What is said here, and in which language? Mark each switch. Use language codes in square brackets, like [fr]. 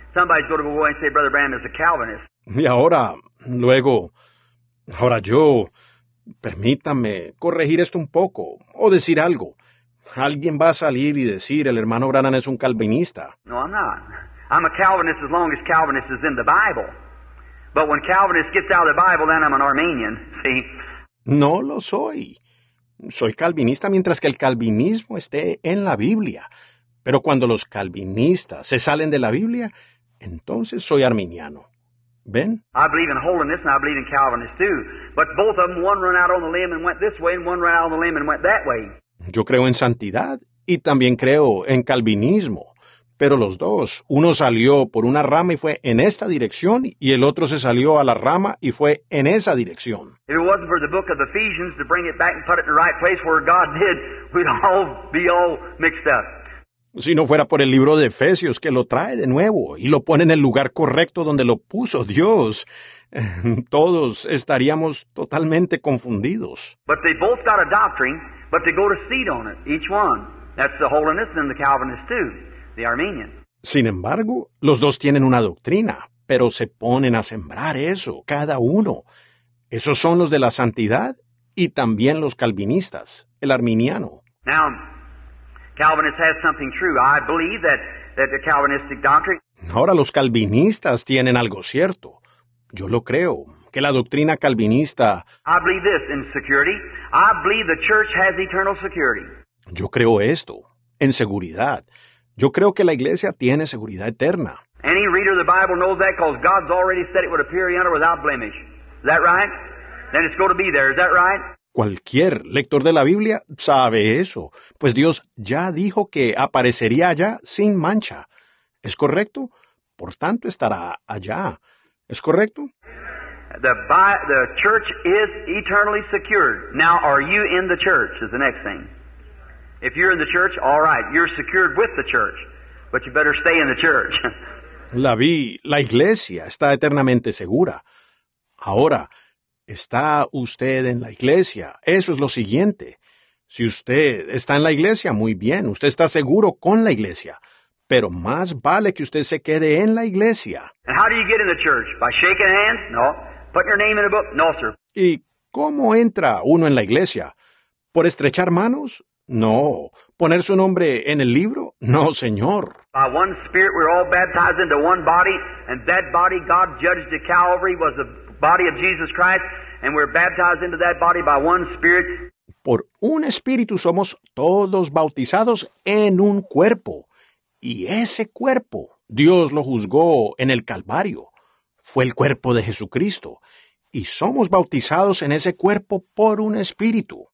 [en] Somebody's going to go and say Brother Branham is a Calvinist. [es] Y ahora, luego, ahora yo, permítame corregir esto un poco o decir algo. Alguien va a salir y decir el hermano Branham es un calvinista. [en] No, I'm not. I'm a Calvinist as long as Calvinist is in the Bible. But when Calvinist gets out of the Bible, then I'm an Arminian, see? [es] No lo soy. Soy calvinista mientras que el calvinismo esté en la Biblia. Pero cuando los calvinistas se salen de la Biblia, entonces soy arminiano. ¿Ven? [en] I believe in holiness and I believe in Calvinists too. But both of them, one ran out on the limb and went this way and one ran out on the limb and went that way. [es] Yo creo en santidad y también creo en calvinismo. Pero los dos, uno salió por una rama y fue en esta dirección y el otro se salió a la rama y fue en esa dirección. [en] If it wasn't for the book of Ephesians to bring it back and put it in the right place where God did, we'd all be all mixed up. [es] Si no fuera por el libro de Efesios que lo trae de nuevo y lo pone en el lugar correcto donde lo puso Dios, todos estaríamos totalmente confundidos. [en] But they both got a doctrine, but they go to seed on it, each one. That's the holiness and the Calvinist too. The Armenian. [es] Sin embargo, los dos tienen una doctrina, pero se ponen a sembrar eso, cada uno. Esos son los de la santidad y también los calvinistas, el arminiano. [en] Now, Calvinist has something true. I believe that the Calvinistic doctrine. [es] Ahora los calvinistas tienen algo cierto. Yo lo creo, que la doctrina calvinista. [en] I believe this in security. I believe the church has eternal security. [es] Yo creo esto en seguridad. Yo creo que la iglesia tiene seguridad eterna. [en] Any reader of the Bible knows that because God's already said it would appear yonder without blemish. Is that right? Then it's going to be there. Is that right? [es] Cualquier lector de la Biblia sabe eso, pues Dios ya dijo que aparecería allá sin mancha. ¿Es correcto? Por tanto, estará allá. ¿Es correcto? [en] The church is eternally secured. Now, are you in the church? Is the next thing. If you're in the church, all right, you're secured with the church, but you better stay in the church. [es] La iglesia está eternamente segura. Ahora, está usted en la iglesia. Eso es lo siguiente. Si usted está en la iglesia, muy bien, usted está seguro con la iglesia. Pero más vale que usted se quede en la iglesia. [en] And how do you get in the church? By shaking hands? No. Put your name in a book? No, sir. [es] ¿Y cómo entra uno en la iglesia? ¿Por estrechar manos? No. ¿Poner su nombre en el libro? No, señor. [en] By one spirit we're all baptized into one body, and that body God judged at Calvary was the body of Jesus Christ, and we're baptized into that body by one spirit. [es] Por un espíritu somos todos bautizados en un cuerpo, Y ese cuerpo, Dios lo juzgó en el Calvario. Fue el cuerpo de Jesucristo. Y somos bautizados en ese cuerpo por un espíritu.